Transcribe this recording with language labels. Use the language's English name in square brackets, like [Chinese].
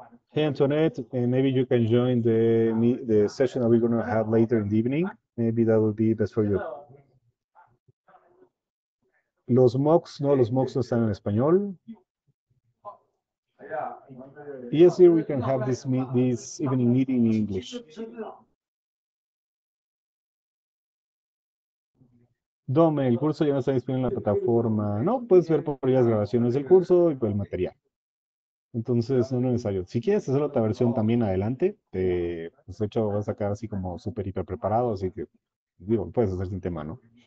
[English] Hey Antoinette, maybe you can join the session that we're going to have later in the evening. Maybe that would be best for you. [Spanish] Los mocks no están en español. [English] Yes, here we can have this evening meeting in English. [Spanish] Dome, el curso ya no está disponible en la plataforma. No, puedes ver por las grabaciones del curso y por el material. Entonces, no es necesario. Si quieres hacer otra versión también adelante, pues de hecho vas a quedar así como súper hiper preparado, así que digo, puedes hacer sin tema, ¿no?